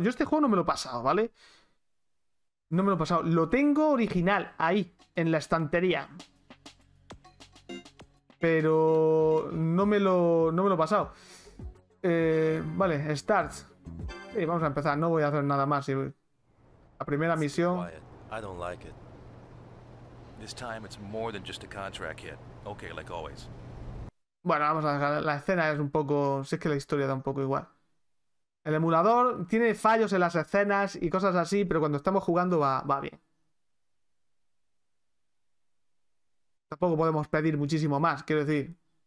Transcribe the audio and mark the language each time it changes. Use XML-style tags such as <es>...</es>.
<es>Yo este juego no me lo he pasado, ¿vale? No me lo he pasado. Lo tengo original ahí, en la estantería. Pero no me lo he pasado. Vale, start. Sí, vamos a empezar. No voy a hacer nada más. La primera misión.</es> <en>I don't like it. This time it's more than just a contract hit. Okay, like always.</en> <es>Bueno, vamos a dejar. La escena es un poco. Si es que la historia da un poco igual. El emulador tiene fallos en las escenas y cosas así, pero cuando estamos jugando va bien. Tampoco podemos pedir muchísimo más, quiero decir.</es>